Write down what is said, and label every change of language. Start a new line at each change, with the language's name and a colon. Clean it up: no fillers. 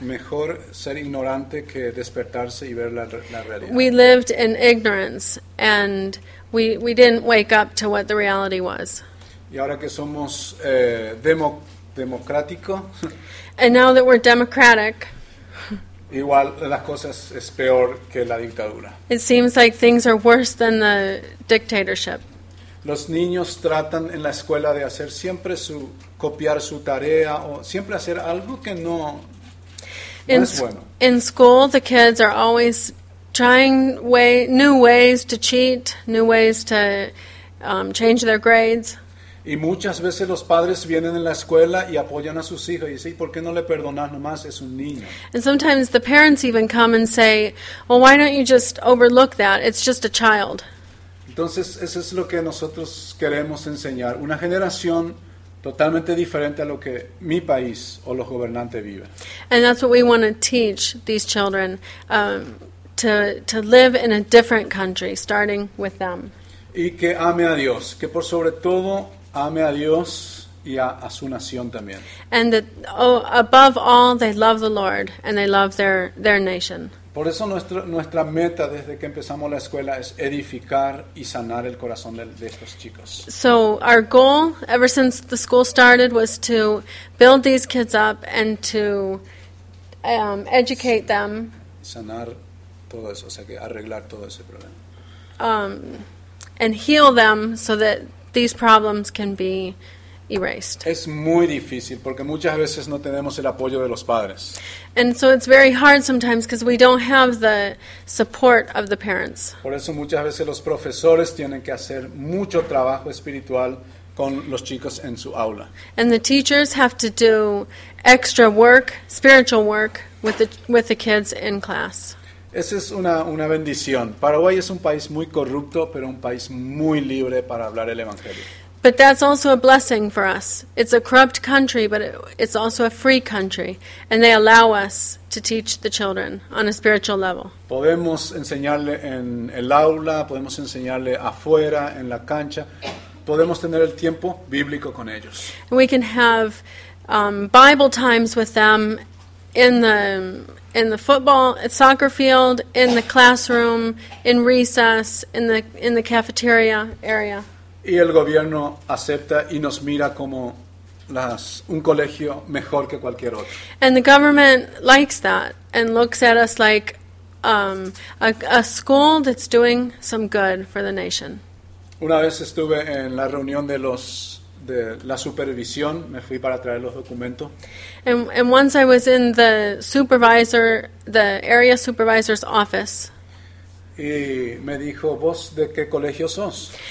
Spanish: Mejor ser ignorante que despertarse y ver la realidad.
English: We lived in ignorance, and we didn't wake up to what the reality was.
Spanish: Y ahora que somos democrático.
English: And now that we're democratic.
Spanish: Igual las cosas es peor que la dictadura.
English: It seems like things are worse than the dictatorship.
Spanish: Los niños tratan en la escuela de hacer siempre su copiar su tarea o siempre hacer algo que no es bueno.
English: In school, the kids are always trying new ways to cheat, new ways to change their grades.
Spanish: Y muchas veces los padres vienen en la escuela y apoyan a sus hijos y dicen, ¿por qué no le perdonas nomás? Es un niño.
English: And sometimes the parents even come and say, well, why don't you just overlook that? It's just a child.
Spanish: Entonces, eso es lo que nosotros queremos enseñar. Una generación totalmente diferente a lo que mi país o los gobernantes viven.
English: And that's what we want to teach these children, to live in a different country, starting with them.
Spanish: Y que ame a Dios, que por sobre todo ame a Dios y a su nación también.
English: And that, above all, they love the Lord and they love their nation.
Spanish: Por eso nuestra meta desde que empezamos la escuela es edificar y sanar el corazón de estos chicos.
English: So our goal ever since the school started was to build these kids up and to educate them.
Spanish: Sanar todo eso, o sea que arreglar todo ese problema.
English: And heal them so that these problems can be erased.
Spanish: Es muy difícil porque muchas veces no tenemos el apoyo de los padres.
English: And so it's very hard sometimes because we don't have the support of the parents.
Spanish: Por eso muchas veces los profesores tienen que hacer mucho trabajo espiritual con los chicos en su aula.
English: And the teachers have to do extra work, spiritual work with the kids in class.
Spanish: Esa es una bendición. Paraguay es un país muy corrupto, pero un país muy libre para hablar el evangelio.
English: But that's also a blessing for us. It's a corrupt country, but it's also a free country, and they allow us to teach the children on a spiritual level.
Spanish: Podemos enseñarle en el aula, podemos enseñarle afuera, en la cancha. Podemos tener el tiempo bíblico con ellos.
English: And we can have Bible times with them in the football, soccer field, in the classroom, in recess, in the cafeteria area.
Spanish: Y el gobierno acepta y nos mira como un colegio mejor que cualquier otro.
English: And the government likes that and looks at us like a school that's doing some good for the nation.
Spanish: Una vez estuve en la reunión de la supervisión, me fui para traer los documentos.
English: And once I was in the supervisor, the area supervisor's office.
Spanish: Y me dijo, ¿vos de qué colegio sos?